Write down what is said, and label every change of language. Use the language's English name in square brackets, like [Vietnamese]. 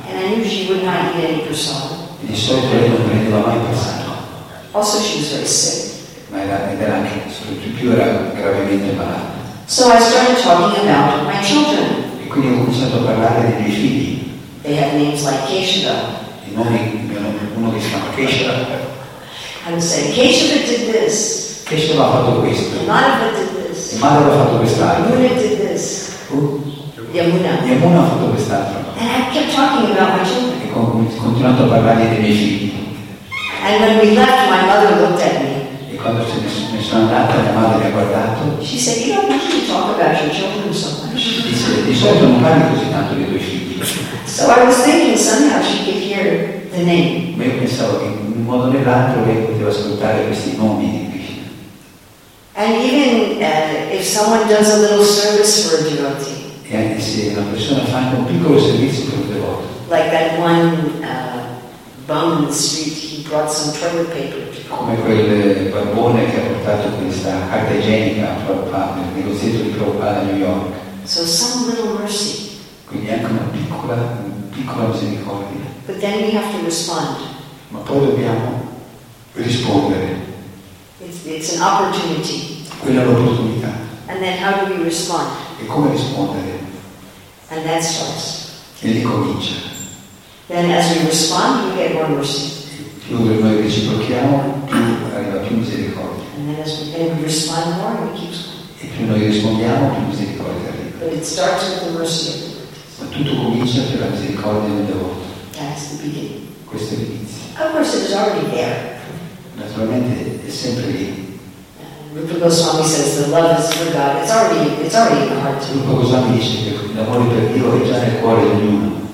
[English] And I knew she would not eat any prasad. [Italian] E di solito lei non prendeva mai prasad. [English] Also she was very sick. [Italian] Ma era anche, soprattutto era gravemente malata. [English] So I started talking about my children. [Italian] E quindi ho cominciato a parlare dei miei figli. [English] They had names like Keshava. [Italian] I nomi, uno che si chiama Keshava. [English] And said, Keshava did this. [Italian] Keshava ha fatto questo. [English] Madhava did this. [Italian] E Madhava ha fatto quest'altro. [English] Yamuna did this. [Italian] Yamuna ha fatto quest'altro. [English] And I kept talking about my children. [Italian] E continuato a parlare dei miei figli. [English] And when we left, my mother looked at me. [Italian] E quando mi sono andata, mia madre mi ha guardato. [English] She said, you don't usually talk about your children so much. [Italian] Dice, di solito non parli così tanto dei tuoi figli. [English] So I was thinking somehow she could hear the name. [Italian] Ma io pensavo che in un modo o nell'altro lei poteva ascoltare questi nomi. [English] And even if someone does a little service for a devotee. [Italian] E anche se una persona fa un piccolo servizio per un devoto. [English] Like that one bum in the street, he brought some toilet paper. [Italian] Come quel barbone che ha portato questa carta igienica nel negozietto di Prabhupada a New York. [English] So some little mercy. [Italian] Quindi anche una piccola misericordia. [English] But then we have to respond. [Italian] Ma poi dobbiamo rispondere. [English] It's an opportunity. [Italian] Quella è l'opportunità. [English] And then how do we respond? [Italian] E come rispondere? [English] And that starts. [Italian] E lì comincia. [English] Then as we respond, we get more mercy. [Italian] Più noi reciprochiamo, più arriva più misericordia. [English] And then as we respond more, it keeps going. [Italian] E più noi rispondiamo, più misericordia arriva. [English] But it starts with the mercy of the Lord. [Italian] Ma tutto comincia per la misericordia del devoto. [English] That's the beginning. [Italian] Questo è l'inizio. [English] Of course it is already there. [Italian] Naturalmente è sempre lì. [English] Rupa Goswami says the love is for God. It's already in the heart. [Italian] Rupa Goswami dice che l'amore per Dio è già nel cuore di ognuno.